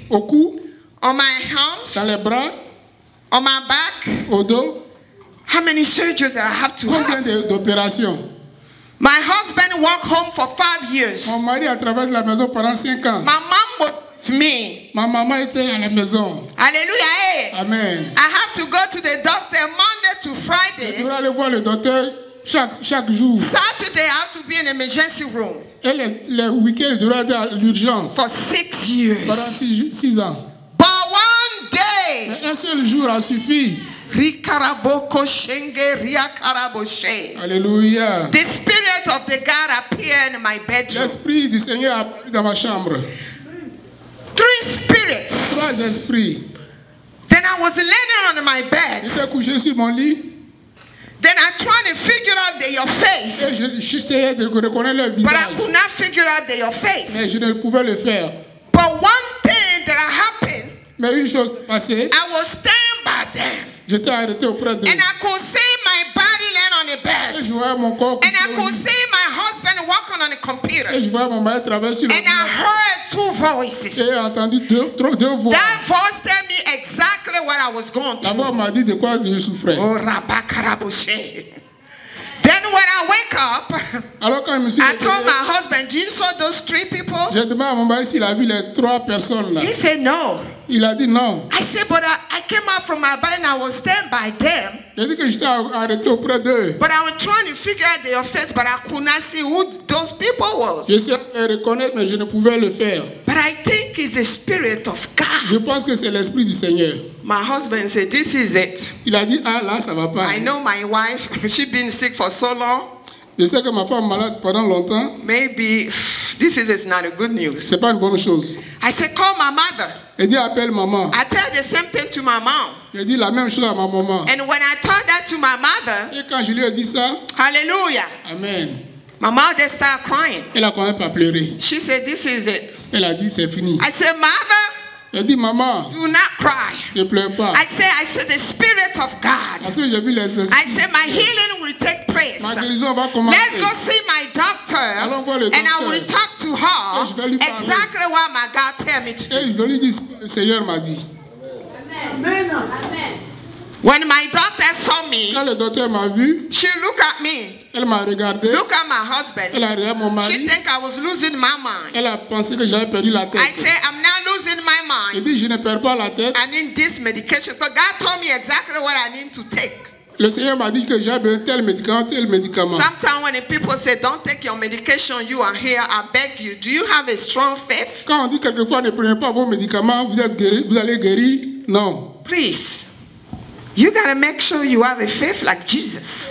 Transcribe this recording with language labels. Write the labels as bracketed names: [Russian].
[French] Au cou. [English] On my arms. [French] Dans les bras. [English] On my back. [French] Au dos. [English] How many surgeries I have to [French] combien [English] have? [French] D'opérations? [English] My husband walked home for 5 years. [French] Mon mari a traversé la maison pendant 5 ans. [English] My mom was with me. [French] Ma maman était à la maison. Alléluia. Amen. [English] I have to go to the doctor Monday to Friday. [French] Je devrais aller voir le docteur. Chaque jour. [English] Saturday, I have to be in the emergency room. [French] Et le week-end, il devra être à l'urgence. [English] For 6 years. [French] Pendant 6 ans. [English] But one day. [French] Mais un seul jour a suffi. Rikaraboko shenge riakaraboshe. Alléluia. [English] The spirit of the God appeared in my bedroom. [French] L'esprit du Seigneur a appelé dans ma chambre. [English] Three spirits. [French] 3 esprits. [English] Then I was laying on my bed. [French] J'étais couché sur mon lit. [English] Then I tried to figure out your face. [French] J'essayais de reconnaître leur visage. [English] But I could not figure out your face. [French] Mais je ne pouvais le faire. [English] But one thing that happened. [French] Mais une chose passée. [English] I was standing by them. [French] J'étais arrêté auprès d'eux. [English] And I could see my body laying on the bed. [French] Et je voyais mon corps. [English] And I could see my husband walking on the computer. [French] Et je voyais mon mari traverser le. [English] And I heard two voices. [French] Et j'ai entendu deux voix. [English] That voice tell me exactly what I was going through. [French] La voix m'a dit de quoi je souffrais. [English] Oh, rabakaraboshe. Then when I wake up, [French] alors quand je me suis [English] I retourné, told my husband, "Do you saw those three people?" [French] J'ai demandé à mon mari s'il a vu les trois personnes là. [English] He said no. [French] Il a dit non. [English] I said, "But I came out from my bed and I was standing by them." [French] J'ai dit que j'étais arrêté auprès d'eux. [English] But I was trying to figure out their face, but I could not see who those people was. [French] J'essayais de les reconnaître, mais je ne pouvais le faire. [English] But I think it's the spirit of God. [French] Je pense que c'est l'esprit du Seigneur. [English] My husband said, "This is it." [French] Il a dit, ah là, ça va pas. [English] I know my wife; she been sick for so long. [French] Je sais que ma femme malade pendant longtemps. [English] Maybe this is not a good news. [French] C'est pas une bonne chose. [English] I said, "Call my mother." [French] Et dit, appelle maman. [English] I tell the same thing to my mom. [French] J'ai dit la même chose à ma maman. [English] And when I told that to my mother, [French] et quand je lui ai dit ça, [English] hallelujah. Amen. My mother started crying. [French] Elle a commencé à pleurer. [English] She said, "This is it." [French] Elle a dit, c'est fini. [English] I said, "Mother." [French] Elle dit, maman. [English] Do not cry. [French] Ne pleure pas. [English] I said, the spirit of God. [French] Parce que j'ai vu les esprits. [English] I said, my healing will take place. [French] Ma guérison va commencer. [English] Let's go see my doctor. [French] Allons voir le docteur. [English] And I will talk to her. [French] Et je vais lui parler. [English] Exactly what my God tell me to do. [French] Et je vais lui dire ce que le Seigneur m'a dit. Amen. Amen. [English] When my daughter saw me, [French] quand le docteur m'a vu, [English] she looked at me. [French] Elle m'a regardé. [English] Look at my husband. [French] Elle a regardé mon mari. [English] She think I was losing my mind. [French] Elle a pensé que j'avais perdu la tête. [English] I said, I'm not losing my mind. [French] Il dit, je ne perds pas la tête. [English] I need this medication, but God told me exactly what I need to take. [French] Le Seigneur m'a dit que j'ai besoin de tel médicament. [English] Sometimes when people say, "Don't take your medication," you are here. I beg you, do you have a strong faith? [French] Quand on dit quelquefois ne prenez pas vos médicaments, vous êtes guéri, vous allez guérir? Non. [English] Please. You gotta make sure you have a faith like Jesus.